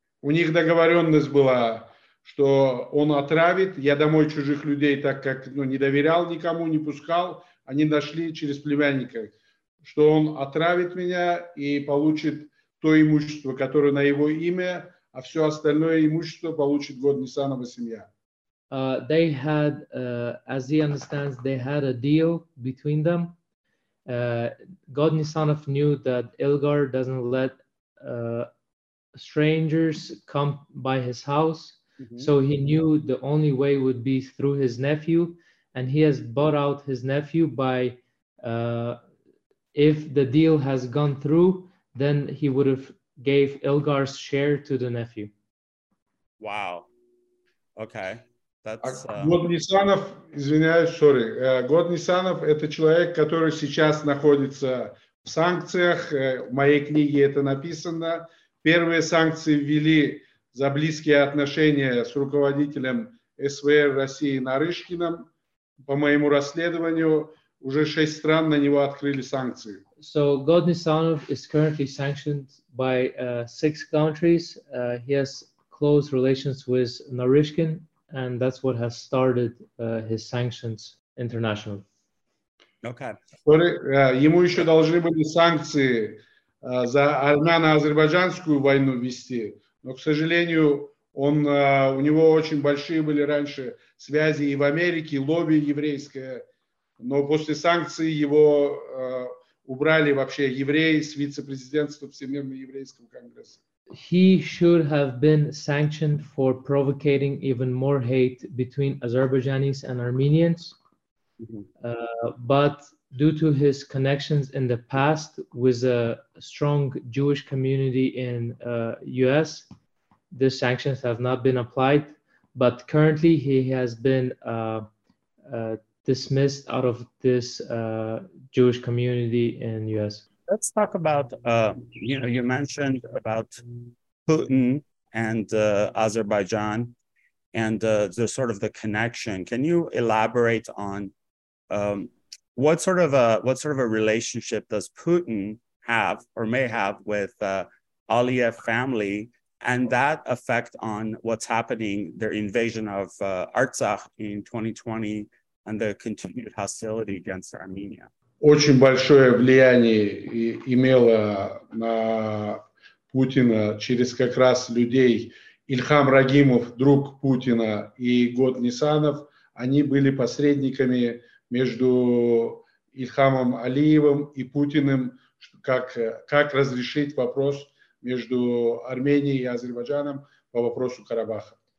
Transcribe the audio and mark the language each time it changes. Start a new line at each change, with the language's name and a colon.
Russian: У них договоренность была, что он отравит. Я домой чужих людей, так как не доверял никому, не пускал. Они нашли через племянника, что он отравит меня и получит то имущество, которое на его имя, а все остальное имущество получит Год Нисанова семья.
English: They had, as he understands, they had a deal between them. God Nisanov knew that Ilgar doesn't let strangers come by his house, so he knew the only way would be through his nephew, and he has bought out his nephew by if the deal has gone through, then he would have gave Ilgar's share to the nephew. Wow. Okay. That's
Russian: God Nisanov, извиняюсь,
English: sorry.
Russian: God Nisanov – это человек, который сейчас находится в санкциях. В моей книге это написано. Первые санкции ввели за близкие отношения с руководителем СВР России Нарышкиным. По моему расследованию, уже 6 стран на него открыли санкции.
English: So, God Nisanov is currently sanctioned by 6 countries. He has close relations with Nарышкин, and that's what has started his sanctions internationally. Okay.
Russian: Ему еще должны были санкции за армяно-азербайджанскую войну вести. Но, к сожалению, он, у него очень большие были раньше связи и в Америке, лобби еврейское. Но после санкций его убрали вообще евреи с вице-президентства Всемирного еврейского конгресса.
English: He should have been sanctioned for provoking even more hate between Azerbaijanis and Armenians. But due to his connections in the past with a strong Jewish community in US, the sanctions have not been applied, but currently he has been dismissed out of this Jewish community in US. Let's talk about, you mentioned about Putin and Azerbaijan and the sort of the connection. Can you elaborate on what sort of a relationship does Putin have or may have with Aliyev family, and that effect on what's happening, their invasion of Artsakh in 2020 and the continued hostility against Armenia?
Russian: Очень большое влияние имело на Путина через как раз людей Ильхам Рагимов, друг Путина, и Год Нисанов. Они были посредниками между Ильхамом Алиевым и Путиным, как разрешить вопрос между Арменией и Азербайджаном по вопросу Карабаха.